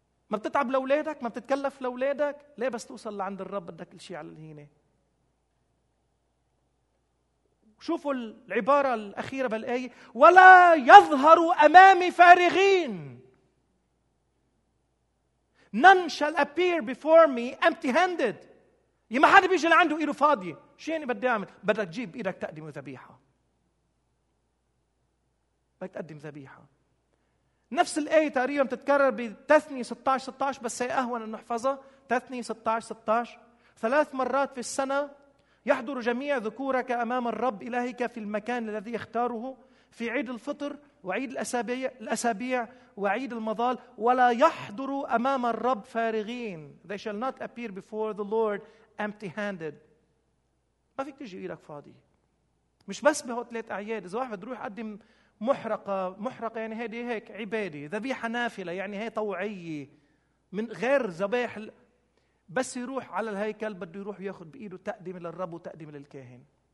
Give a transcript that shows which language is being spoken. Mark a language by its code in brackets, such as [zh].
[ar] ما بتتعب لأولادك؟ ما بتتكلف لأولادك؟ ليه بس توصل لعند الرب بدك كل شيء على الهينة؟ شوفوا العبارة الأخيرة بالآية، ولا يظهروا أمامي فارغين. [en] None shall appear before me empty-handed. [ar] ما حدا بيجي لعنده إيده فاضية. شو يعني بدي أعمل؟ بدك تجيب إيدك تقدم ذبيحة. بدك تقدم ذبيحة. نفس الآية تقريبا بتتكرر بتثني 16-16 بس هي أهون أن نحفظها. تثني 16-16 ثلاث مرات في السنة يحضر جميع ذكورك أمام الرب إلهك في المكان الذي يختاره في عيد الفطر وعيد الأسابيع وعيد المظال ولا يحضروا أمام الرب فارغين. [en] They shall not appear before the Lord empty-handed. [ar] ما فيك تجي إيدك فاضي. مش بس بهو ثلاث أعياد، إذا واحد روح قدم محرقة، محرقة يعني هذه هيك عبادة، ذبيحة نافلة يعني هي طوعية من غير ذبائح، بس يروح على الهيكل بده يروح ياخذ بإيده تقدم للرب وتقدم للكاهن.